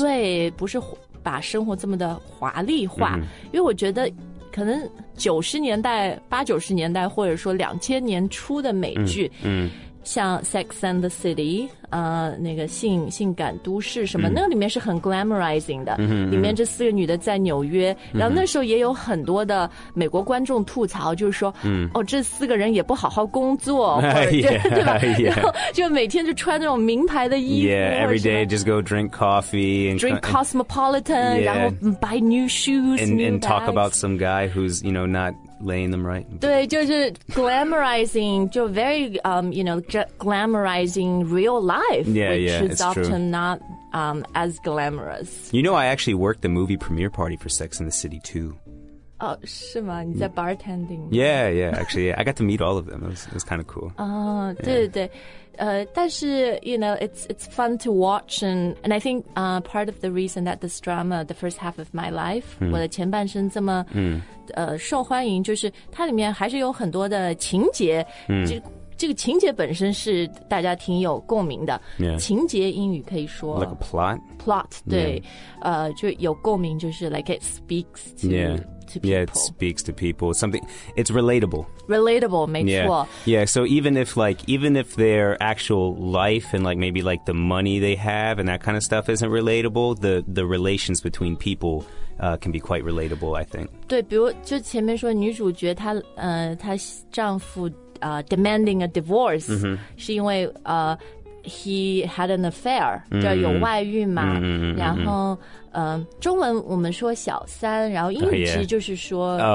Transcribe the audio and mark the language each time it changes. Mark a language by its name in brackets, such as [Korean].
[Chinese] 对不是把生活这么的华丽化、因为我觉得可能八九十年代或者说2000年初的美剧、像 Sex and the City 那个性感都市什么、那里面是很 glamorizing 的、里面这四个女的在纽约、然后那时候也有很多的美国观众吐槽就是说、哦这四个人也不好好工作、对吧、然后就每天就穿那种名牌的衣服 [English] yeah every day just go drink coffee and drink cosmopolitan yeah, [Chinese] 然后 [English] buy new shoes and talk about some guy who's you know notLaying them right. [Chinese] 对，就是 [English] glamorizing, 就 very, you know, glamorizing real life, yeah, which yeah, is often、 true. not, as glamorous. You know, I actually worked the movie premiere party for Sex and the City 2. [Chinese] Oh, 是吗？你在 [English] bartending? Yeah, yeah, actually, yeah, I got to meet all of them. It was kind of cool. [Chinese] Oh, 对。 [English] 但是 you know it's fun to watch and I think part of the reason that this drama the first half of my life、 [Chinese] 我的前半生这么、受欢迎就是它里面还是有很多的情节、就这个情节本身是大家挺有共鸣的、 [English] yeah. [Chinese] 情节英语可以说 [English] like a plot plot [Chinese] 对、 [English] yeah. [Chinese] 就有共鸣就是 [English] like it speaks to、 yeah. Yeah, it speaks to people. Something, it's relatable. Relatable, [Chinese] 没错 [English] yeah. yeah, so even if, like, even if their actual life and, like, maybe, like, the money they have and that kind of stuff isn't relatable, the relations between people、can be quite relatable, I think. [Chinese] 对，比如就前面说女主角她、她丈夫、 [English] demanding a divorce、 mm-hmm. [Chinese] 是因为、 [English] he had an affair, [Chinese] 就有外遇嘛、 [English] mm-hmm. [Chinese] 然后中文我们说小三然后英语其实就是说